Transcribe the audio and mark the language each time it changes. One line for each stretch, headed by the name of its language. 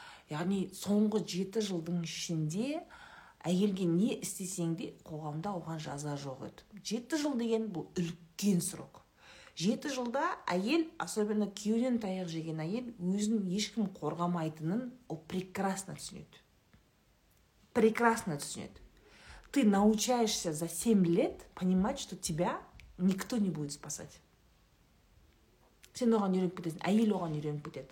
Kazakh: Яғни соңғы 7 жылдың ішінде әйелге не істесең де қоғамда оған жаза жоқ еді. 7 жыл деген бұл үлкен срок. 7 жылда әйел, особенно күйеуден таяқ жеген әйел, өзін ешкім қорғамайтынын о прекрасно түсінеді. Прекрасно түсінеді.
Russian: Ты научаешься за 7 лет понимать, что тебя никто не будет спасать.
Kazakh: Сен оған үйреніп кетесің, әйел оған үйреніп кетеді.